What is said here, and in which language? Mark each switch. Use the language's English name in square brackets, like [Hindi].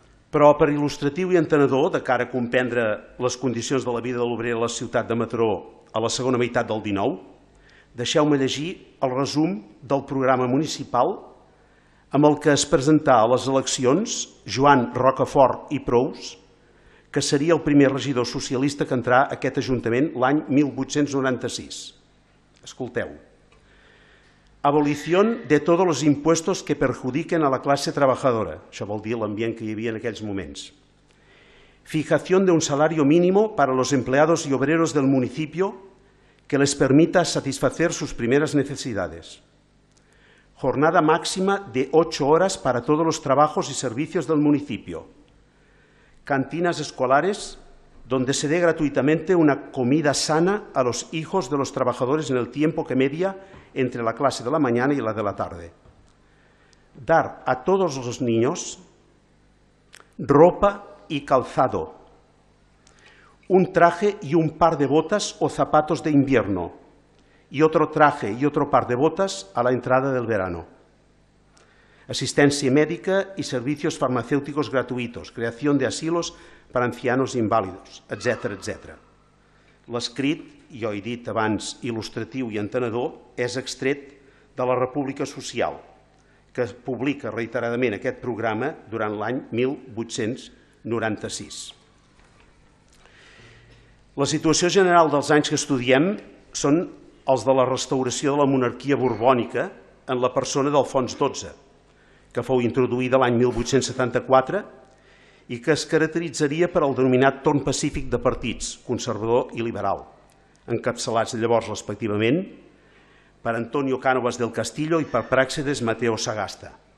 [Catalan] Però per il·lustratiu i entenedor, de cara a comprendre les condicions de la vida de l'obrer a la ciutat de Mataró a la segona meitat del XIX, deixeu-me llegir el resum del programa municipal amb el que es presentà a les eleccions Joan Rocafort i Prous, que seria el primer regidor socialista que entrà a aquest ajuntament l'any 1896. Escolteu. [Spanish] Abolición de todos los impuestos que perjudiquen a la clase trabajadora. [Catalan] Això vol dir l'ambient que hi havia en aquells moments. [Spanish] Fijación de un salario mínimo para los empleados y obreros del municipio que les permita satisfacer sus primeras necesidades. Jornada máxima de 8 horas para todos los trabajos y servicios del municipio. Cantinas escolares donde se dé gratuitamente una comida sana a los hijos de los trabajadores en el tiempo que media entre la clase de la mañana y la de la tarde. Dar a todos los niños ropa y calzado, un traje y un par de botas o zapatos de invierno, y otro traje y otro par de botas a la entrada del verano. Asistencia médica y servicios farmacéuticos gratuitos, creación de asilos per ancianos inválidos, etc, etc. [Catalan] L'escrit, jo he dit abans, il·lustratiu i entenedor, és extret de la República Social, que publica reiteradament aquest programa durant l'any 1896. La situació general dels anys que estudiem són els de la restauració de la monarquia borbònica en la persona d'Alfons XII, que fou introduïda l'any 1874 i que es caracteritzaria per el denominat torn pacífic de partits, conservador i liberal, encapçalats llavors respectivament per Antonio Cánovas del Castillo i per Práxedes Mateo Sagasta.